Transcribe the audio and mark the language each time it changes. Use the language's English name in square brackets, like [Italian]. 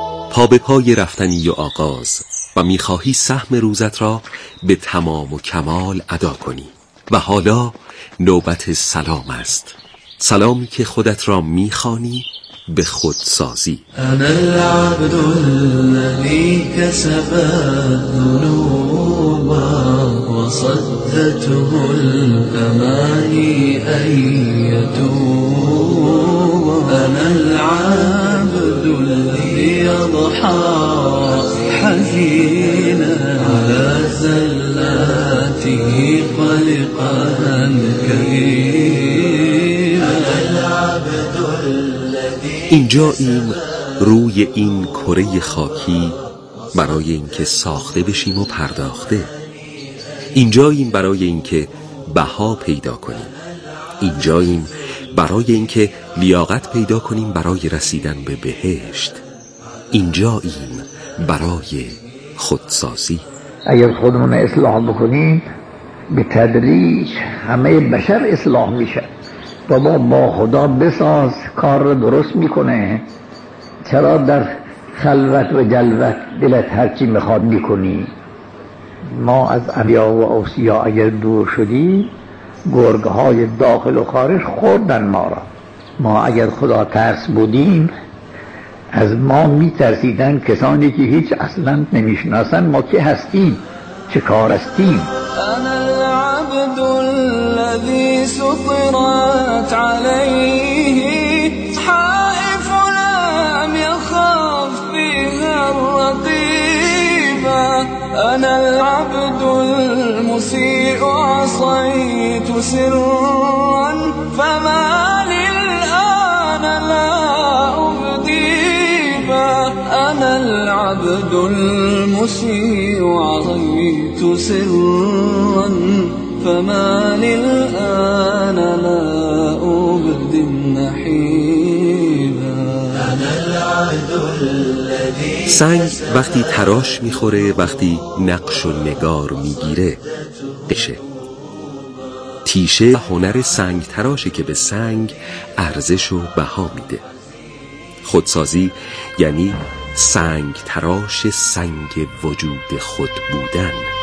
[Persian] پا به پای رفتنی و آغاز و می خواهی سهم روزت را به تمام و کمال ادا کنی و حالا نوبت سلام است، سلامی که خودت را می خوانی به خود سازی. [Arabic] انا العبد الذي كسب الذنوب وصدته الاماني ان يتوب. انا العبد الذي يضحى حزينا على زلاته قلقا كثيرا. [Persian] اینجاییم روی این کره خاکی برای اینکه ساخته بشیم و پرداخته، اینجاییم برای اینکه بها پیدا کنیم، اینجاییم برای اینکه لیاقت پیدا کنیم برای رسیدن به بهشت، اینجاییم برای خودسازی. اگر خودمون اصلاح بکنیم به تدریج همه بشر اصلاح میشه. بابا با خدا بساز، کار رو درست میکنه. چرا در خلوت و جلوت دلت هرچی میخواد میکنی؟ ما از انبیا و اوصیا اگر دور شدیم، گرگهای داخل و خارج خوردن ما را. ما اگر خدا ترس بودیم، از ما میترسیدن کسانی که هیچ اصلا نمیشناسن ما کی هستیم، چه کار هستیم. [Arabic] انا العبد الذي سطرت عليه صحائف لم يخاف بها الرقيبة. انا العبد المسيء عصيت سرا فما لي الان لا ابديها. انا العبد العبد المسيء عظيت سرا فما للآن لا أبدي النحيبا. أنا العبد الذي [Persian] سنگ وقتی تراش میخوره، وقتی نقش و نگار میگیره قشه. تیشه هنر سنگ تراشه که به سنگ ارزش و بها میده. خودسازی یعنی سنگ تراش سنگ وجود خود بودن.